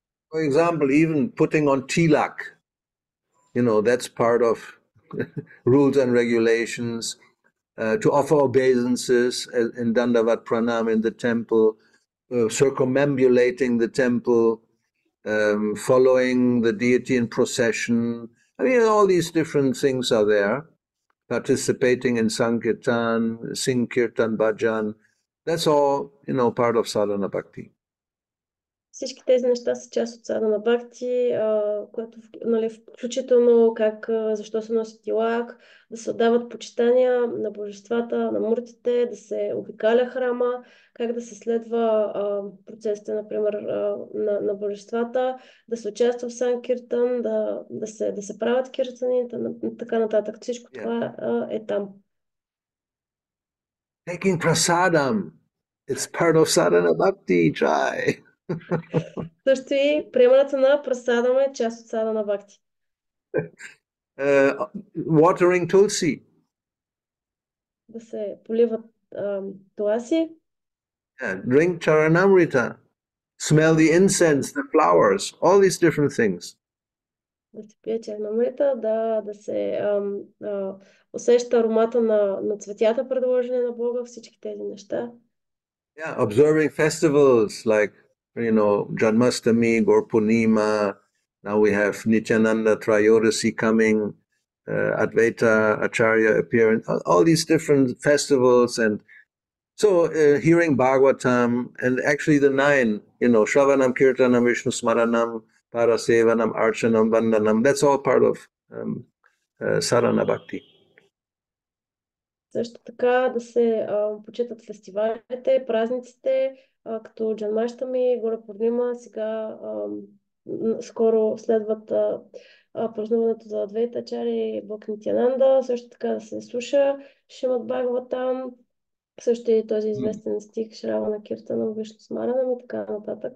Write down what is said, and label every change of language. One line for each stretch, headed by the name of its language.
English: For example, even putting on tilak, you know, that's part of rules and regulations, to offer obeisances in Dandavat Pranam in the temple, circumambulating the temple, following the deity in procession. I mean, all these different things are there. Participating in Sankirtan, Sinkirtan, Bhajan, that's all, you know, part of Sadhana Bhakti.
Bulgarian: Всички тези неща са част от садана бхакти, което, нали, включително как, защо се носи тилак, да се отдават почитания на божествата, на муртите, да се обикаля храма, как да се следва процесите, например, на божествата, да се участва в санкиртан, да се правят киртани и така нататък. Всичко това е там.
English: Taking prasadam, it's part of sadana bhakti, Jai.
Bulgarian: Също и приемането на прасадам е част от садана бхакти.
English: Watering tulsi.
Bulgarian: Да се поливат туласи.
English: Drink charanamrita. Smell the incense, the flowers, all these different things.
Bulgarian: Да се пие чернамрита, да се усеща аромата на цветята, предложени на Бога, всички тези неща.
English: Yeah, observing festivals like, you know, Janmashtami, Gorpunima, now we have Nityananda Trayodasi coming, Advaita Acharya appearing, all these different festivals, and so hearing Bhagavatam, and actually the nine, you know, Shravanam, Kirtanam, Vishnu Smaranam, Parasevanam, Archanam, Vandanam, that's all part of Sarana Bhakti.
Bulgarian: Също така да се почитат фестивалите, празниците, като Джанмаштами, Горапурнима, сега скоро следват празнуването за Адвайта Ачари и Бог Нитянанда, също така да се слуша Шримад Бхагаватам, също и този известен стих Шравана Киртана, Вишну Смаранам и така нататък.